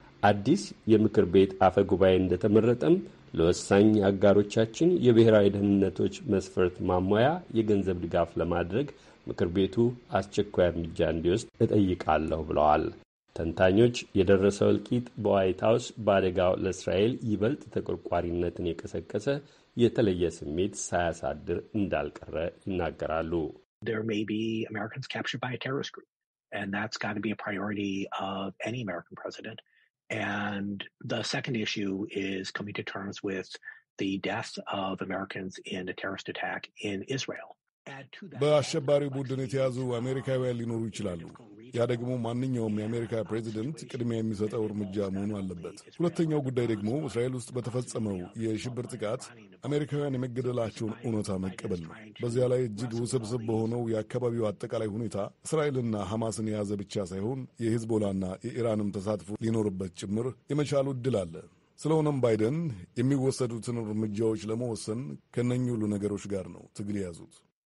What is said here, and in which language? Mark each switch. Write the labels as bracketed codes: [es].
[am] አዲስ የምክር ቤት አፈ ጉባኤ እንደተመረጠም ለወሳኝ አጋሮቻችን የብሔራዊ ደህንነቶች መስፈርት ማሟያ የገንዘብ ድጋፍ ለማድረግ ምክር ቤቱ አስቸኳይ እርምጃ እንዲወስድ እጠይቃለሁ ብለዋል። ተንታኞች የደረሰው እልቂት በዋይት ሀውስ በአደጋው ለእስራኤል ይበልጥ ተቆርቋሪነትን የቀሰቀሰ የተለየ ስሜት ሳያሳድር እንዳልቀረ ይናገራሉ። [en] There may be Americans captured by a terrorist group, and that's got to be a priority of any American president. And the second issue is coming to terms with the deaths of Americans in a terrorist attack in Israel. [am] በአሸባሪ ቡድን የተያዙ አሜሪካውያን ሊኖሩ ይችላሉ። ያ ደግሞ ማንኛውም የአሜሪካ ፕሬዚደንት ቅድሚያ የሚሰጠው እርምጃ መሆኑ አለበት። ሁለተኛው ጉዳይ ደግሞ እስራኤል ውስጥ በተፈጸመው የሽብር ጥቃት አሜሪካውያን የመገደላቸውን እውነታ መቀበል ነው። በዚያ ላይ እጅግ ውስብስብ በሆነው የአካባቢው አጠቃላይ ሁኔታ እስራኤልና ሐማስን የያዘ ብቻ ሳይሆን የሂዝቦላና የኢራንም ተሳትፎ ሊኖርበት ጭምር የመቻሉ እድል አለ። ስለሆነም ባይደን የሚወሰዱትን እርምጃዎች ለመወሰን ከነኚህ ሁሉ ነገሮች ጋር ነው ትግል የያዙት።